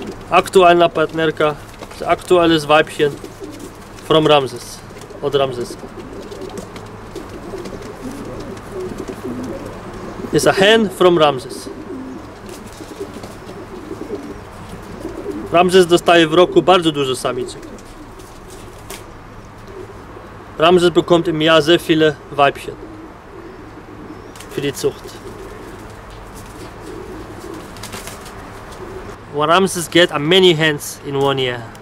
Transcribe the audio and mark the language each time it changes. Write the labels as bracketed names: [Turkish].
[Polish] Aktualna partnerka, aktualne z Weibchen [English] from Ramses, [Polish] od Ramsesa. [English] It's a hen from Ramses. [Polish] Ramses dostaje w roku bardzo dużo samiczek. [German] Ramses bekommt im Jahr sehr viele Weibchen für die Zucht. [English] What Ramses get are many hens in one year.